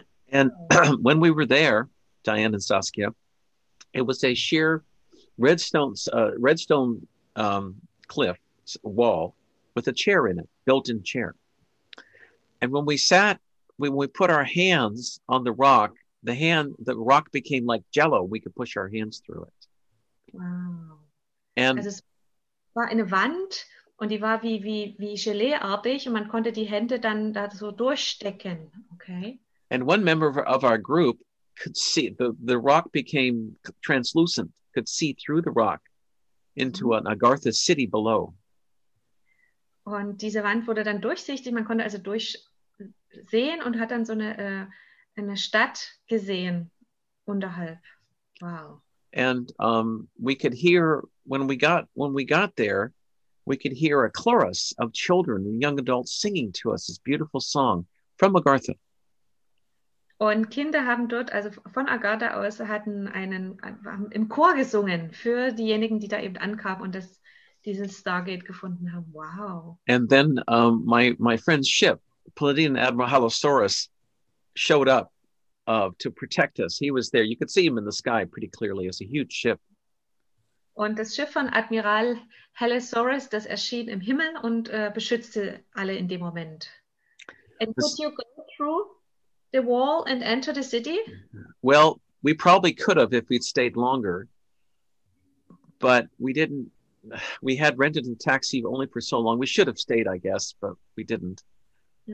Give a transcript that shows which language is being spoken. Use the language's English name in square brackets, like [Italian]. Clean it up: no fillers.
[English] And when we were there, Diane and Saskia, it was a sheer redstone cliff wall with a chair in it, built-in chair. And when we sat, when we put our hands on the rock, the rock became like jello. We could push our hands through it. Wow. And [German] also es war eine Wand und die war wie Gelee-artig und man konnte die Hände dann da so durchstecken. Okay. [English] And one member of our group could see the rock became translucent, could see through the rock into an Agartha city below. [German] Und diese Wand wurde dann durchsichtig. Man konnte also durchsehen und hat dann so eine Stadt gesehen unterhalb. Wow. [English] And we could hear when we got there, we could hear a chorus of children and young adults singing to us this beautiful song from Agartha. [German] Und Kinder haben dort, also von Agartha aus, haben im Chor gesungen für diejenigen, die da eben ankamen und dieses Stargate gefunden haben. Wow. [English] And then my friend's ship, Palladian Admiral Halosaurus, showed up to protect us. He was there. You could see him in the sky pretty clearly. It's a huge ship. [German] Und das Schiff von Admiral Halosaurus, das erschien im Himmel und beschützte alle in dem Moment. [English] And could you go through the wall and enter the city? Well, we probably could have if we'd stayed longer, but we didn't. We had rented a taxi only for so long. We should have stayed, I guess, but we didn't. Okay.